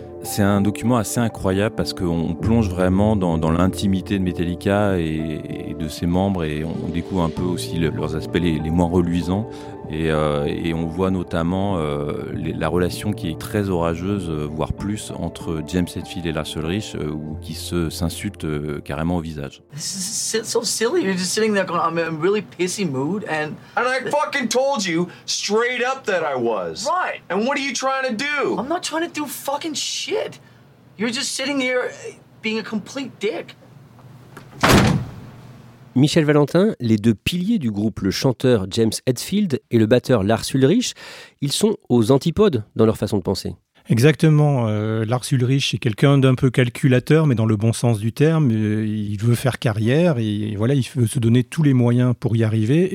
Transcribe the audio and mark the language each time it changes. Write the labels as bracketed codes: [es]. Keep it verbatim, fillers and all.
[fr] C'est un document assez incroyable parce qu'on plonge vraiment dans, dans l'intimité de Metallica et, et de ses membres, et on découvre un peu aussi le, leurs aspects les, les moins reluisants. Et, euh, et on voit notamment euh, les, la relation qui est très orageuse, euh, voire plus, entre James Hetfield et Lars Ulrich, euh, qui se, s'insultent euh, carrément au visage. [en] This is so silly. You're just sitting there going, I'm in a really pissy mood. And, and I fucking told you straight up that I was. Right. And what are you trying to do? I'm not trying to do fucking shit. You're just sitting here being a complete dick. [fr] Michel Valentin, les deux piliers du groupe, le chanteur James Hetfield et le batteur Lars Ulrich, ils sont aux antipodes dans leur façon de penser. Exactement. Euh, Lars Ulrich est quelqu'un d'un peu calculateur, mais dans le bon sens du terme. Euh, il veut faire carrière et voilà, il veut se donner tous les moyens pour y arriver.